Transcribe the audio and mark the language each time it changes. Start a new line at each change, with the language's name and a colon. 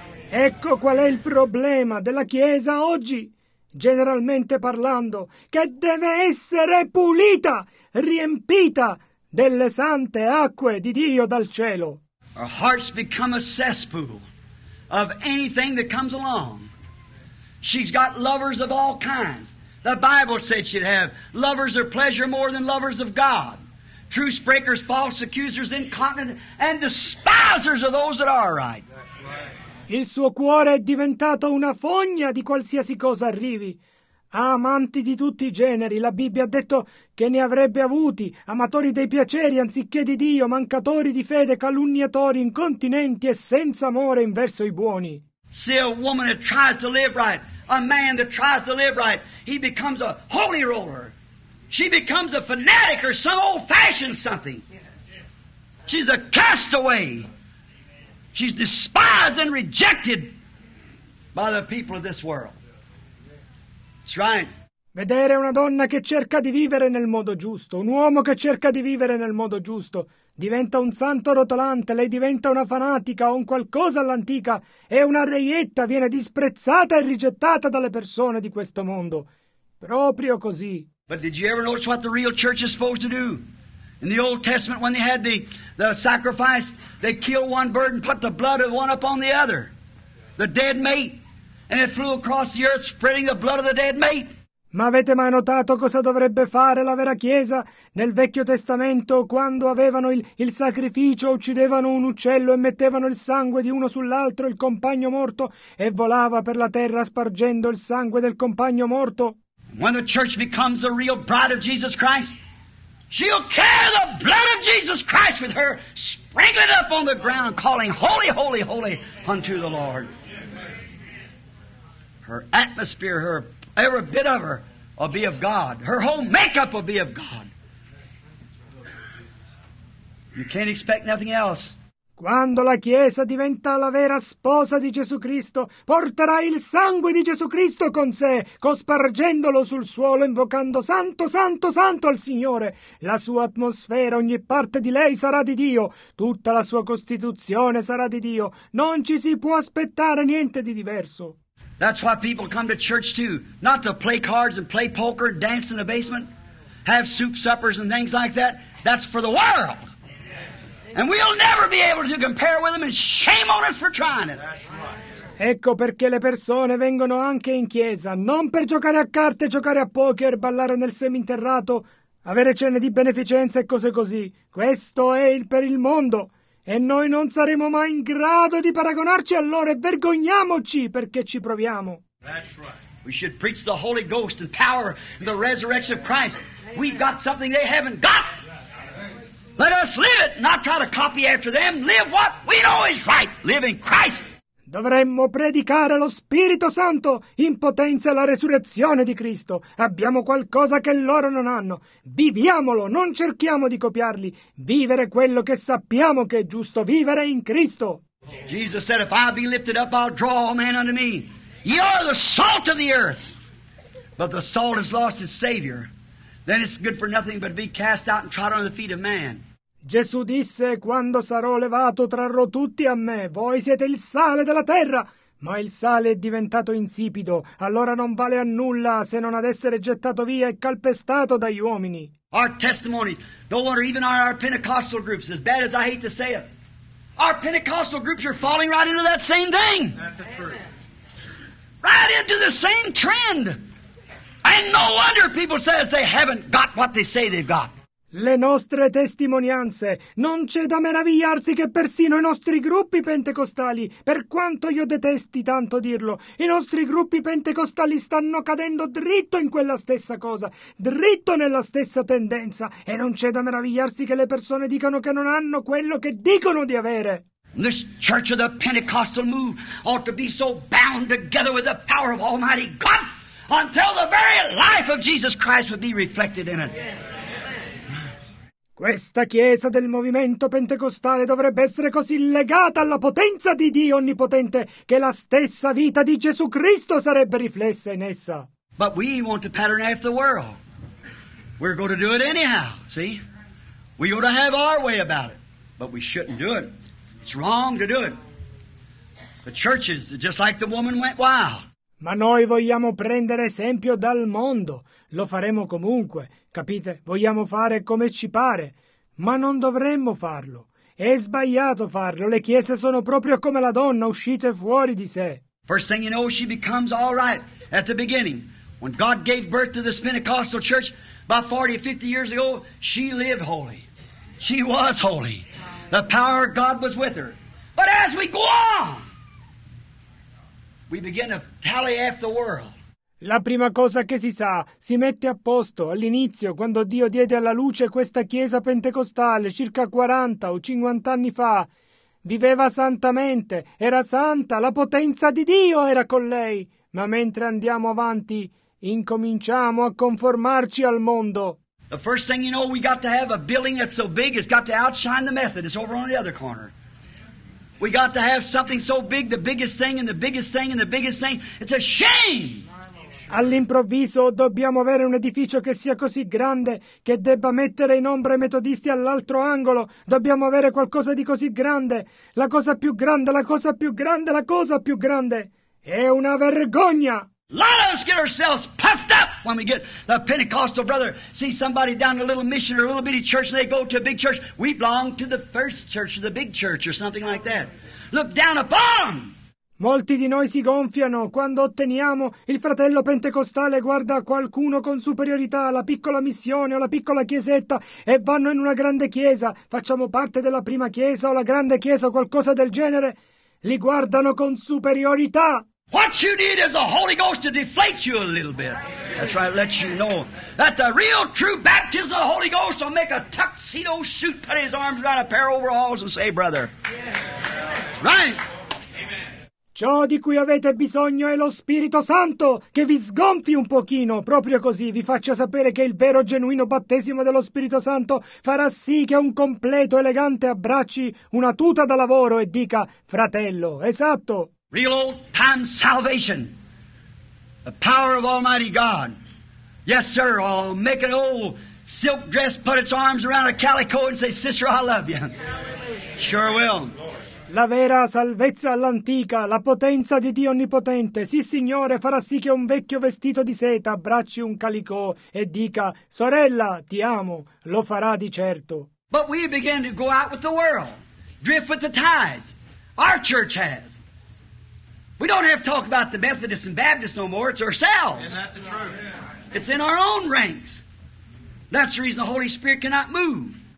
Italian: Ecco qual è il problema della Chiesa oggi, generalmente parlando, che deve essere pulita, riempita delle sante acque di Dio dal cielo.
English: Our hearts become a cesspool of anything that comes along. She's got lovers of all kinds. The Bible said she'd have lovers of pleasure more than lovers of God. Truce breakers, false accusers, incontinent, and despisers of those that are right.
Italian: Il suo cuore è diventato una fogna di qualsiasi cosa arrivi. Ha amanti di tutti i generi. La Bibbia ha detto che ne avrebbe avuti. Amatori dei piaceri anziché di Dio, mancatori di fede, calunniatori, incontinenti e senza amore verso i buoni.
English: See a woman that tries to live right, a man that tries to live right, he becomes a holy roller. She becomes a fanatic or some old-fashioned something. She's a castaway. She's despised and rejected by the people of this world. That's right.
Italian: Vedere una donna che cerca di vivere nel modo giusto, un uomo che cerca di vivere nel modo giusto, diventa un santo rotolante, lei diventa una fanatica o un qualcosa all'antica, è una reietta, viene disprezzata e rigettata dalle persone di questo mondo. Proprio così.
English: But did you ever notice what the real church is supposed to do? In the Old Testament, when they had the sacrifice, they killed one bird and put the blood of one upon the other, the dead mate, and it flew across the earth spreading the blood of the dead mate.
Italian: Ma avete mai notato cosa dovrebbe fare la vera Chiesa? Nel Vecchio Testamento, quando avevano il sacrificio, uccidevano un uccello e mettevano il sangue di uno sull'altro, il compagno morto, e volava per la terra spargendo il sangue del compagno morto.
English: When the church becomes the real bride of Jesus Christ, she'll carry the blood of Jesus Christ with her, sprinkling it up on the ground, calling, "Holy, holy, holy unto the Lord." Her atmosphere, her every bit of her, will be of God. Her whole makeup will be of God. You can't expect nothing else.
Italian: Quando la Chiesa diventa la vera sposa di Gesù Cristo, porterà il sangue di Gesù Cristo con sé, cospargendolo sul suolo, invocando Santo, Santo, Santo al Signore. La sua atmosfera, ogni parte di lei sarà di Dio, tutta la sua costituzione sarà di Dio. Non ci si può aspettare niente di diverso.
English: That's why people come to church too, not to play cards and play poker and dance in the basement, have soup suppers and things like that. That's for the world. And we'll never be able to compare with them, and shame on us for trying it. That's right.
Italian: Ecco perché le persone vengono anche in chiesa, non per giocare a carte, giocare a poker, ballare nel seminterrato, avere cene di beneficenza e cose così. Questo è il per il mondo. E noi non saremo mai in grado di paragonarci a loro, e vergogniamoci perché ci proviamo.
English: That's right. We should preach the Holy Ghost and power and the resurrection of Christ. We've got something they haven't got. Let us live it, not try to copy after them. Live what we know is right. Live in Christ.
Italian: Dovremmo predicare lo Spirito Santo in potenza e la resurrezione di Cristo. Abbiamo qualcosa che loro non hanno. Viviamolo, non cerchiamo di copiarli. Vivere quello che sappiamo che è giusto, vivere in Cristo.
English: Jesus said, if I be lifted up, I'll draw all men unto me. Ye are the salt of the earth. But the salt has lost its savior. Then it's good for nothing but to be cast out and trod on the feet of man.
Italian: Gesù disse, quando sarò levato trarrò tutti a me, voi siete il sale della terra. Ma il sale è diventato insipido, allora non vale a nulla se non ad essere gettato via e calpestato dagli uomini.
English: Our testimonies, no wonder even our Pentecostal groups, as bad as I hate to say it, our Pentecostal groups are falling right into that same thing. That's the truth. Right into the same trend. And no wonder people say they haven't got what they say they've got.
Italian: Le nostre testimonianze. Non c'è da meravigliarsi che persino i nostri gruppi pentecostali, per quanto io detesti tanto dirlo, i nostri gruppi pentecostali stanno cadendo dritto in quella stessa cosa, dritto nella stessa tendenza. E non c'è da meravigliarsi che le persone dicano che non hanno quello che dicono di avere.
English: This church of the Pentecostal move ought to be so bound together with the power of Almighty God. Until the very life of Jesus Christ would be reflected in it.
Italian: Questa chiesa del movimento pentecostale dovrebbe essere così legata alla potenza di Dio onnipotente che la stessa vita di Gesù Cristo sarebbe riflessa in essa.
English: But we want to pattern after the world. We're going to do it anyhow, see? We ought to have our way about it, but we shouldn't do it. It's wrong to do it. The churches, just like the woman went wild.
Italian: Ma noi vogliamo prendere esempio dal mondo. Lo faremo comunque, capite? Vogliamo fare come ci pare, ma non dovremmo farlo. È sbagliato farlo. Le chiese sono proprio come la donna, uscite fuori di sé.
English: First thing you know, she becomes all right at the beginning. When God gave birth to this Pentecostal church about 40 or 50 years ago, she lived holy. She was holy. The power of God was with her. But as we go on, we begin to tally after the world.
Italian: La prima cosa che si sa, si mette a posto all'inizio, quando Dio diede alla luce questa chiesa pentecostale circa 40 o 50 anni fa. Viveva santamente, era santa, la potenza di Dio era con lei. Ma mentre andiamo avanti, incominciamo a conformarci al mondo.
English: The first thing you know, we got to have a building that's so big it's got to outshine the Methodist over on the other corner. We got to have something so big, the biggest thing and the biggest thing and the biggest thing. It's a shame!
Italian: All'improvviso dobbiamo avere un edificio che sia così grande che debba mettere in ombra i metodisti all'altro angolo. Dobbiamo avere qualcosa di così grande. La cosa più grande, la cosa più grande, la cosa più grande. È una vergogna!
English: Let us get ourselves puffed up when we get the Pentecostal brother. See somebody down a little mission or a little bitty church, they go to a big church. We belong to the first church or the big church or something like that. Look down upon!
Italian: Molti di noi si gonfiano quando otteniamo il fratello pentecostale guarda qualcuno con superiorità, la piccola missione o la piccola chiesetta, e vanno in una grande chiesa. Facciamo parte della prima chiesa o la grande chiesa o qualcosa del genere. Li guardano con superiorità.
English: What you need is the Holy Ghost to deflate you a little bit. That's right, let you know that the real true baptism of the Holy Ghost will make a tuxedo suit, put his arms around a pair of overalls and say, brother. Yeah. Right. Amen.
Italian: Ciò di cui avete bisogno è lo Spirito Santo, che vi sgonfi un pochino. Proprio così vi faccio sapere che il vero genuino battesimo dello Spirito Santo farà sì che un completo elegante abbracci una tuta da lavoro e dica fratello. Esatto.
English: Real old time salvation. The power of Almighty God. Yes, sir, I'll make an old silk dress, put its arms around a calico and say, sister, I love you. Sure will.
Italian: La vera salvezza all'antica, la potenza di Dio Onnipotente. Sì, Signore, farà sì che un vecchio vestito di seta abbracci un calicò e dica, sorella, ti amo. Lo farà di certo.
English: But we began to go out with the world, drift with the tides. Our church has. We don't have to talk about the Methodists and Baptists no more. It's ourselves. And that's the truth. It's in our own ranks. That's the reason the Holy Spirit cannot move.